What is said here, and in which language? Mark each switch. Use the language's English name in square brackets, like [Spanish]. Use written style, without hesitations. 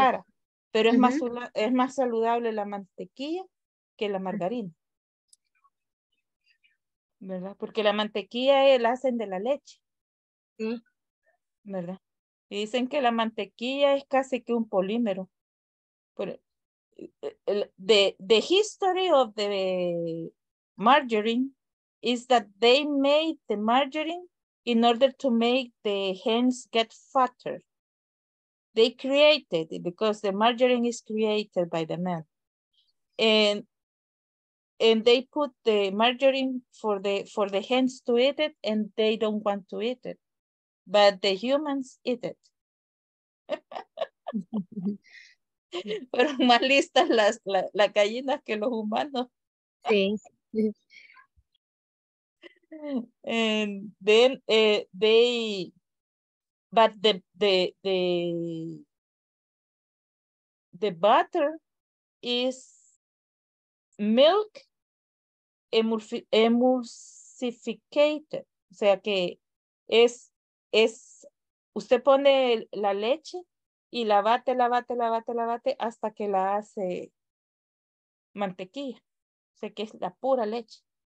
[Spanish] cara, pero es más saludable la mantequilla que la margarina. ¿Verdad? Porque la mantequilla la hacen de la leche. Sí. ¿Verdad? Y dicen que la mantequilla es casi que un polímero. [English] The history of the margarine is that they made the margarine in order to make the hens get fatter. They created it because the margarine is created by the man. And they put the margarine for the hens to eat it, and they don't want to eat it, but the humans eat it. [Spanish] Fueron más listas las gallinas que los humanos. Sí. [English] And then they, but the butter is milk emulsificated, [Spanish] o sea que es usted pone la leche y la bate, la bate, la bate, la bate hasta que la hace mantequilla, o sea que es la pura leche.